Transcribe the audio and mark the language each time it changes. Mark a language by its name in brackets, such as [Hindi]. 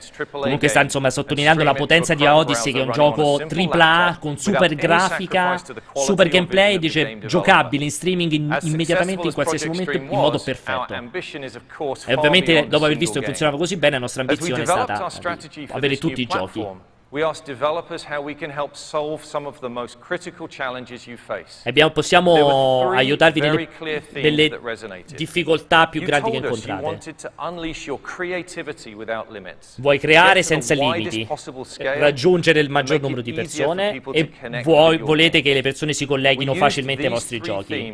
[Italian] comunque sta, insomma, sottolineando la potenza di Odyssey, che è un gioco AAA con super grafica, super gameplay, dice, giocabile in streaming immediatamente in qualsiasi momento in modo perfetto. E ovviamente dopo aver visto che funzionava così bene, la nostra ambizione è stata avere tutti i giochi. [English] We ask developers how we can help solve some of the most critical challenges you face. [Italian] Possiamo aiutarvi nelle difficoltà più grandi che incontrate. [English] You wanted to unleash your creativity without limits. [Italian] Vuoi creare senza limiti, raggiungere il maggior numero di persone e volete che le persone si colleghino facilmente ai vostri giochi.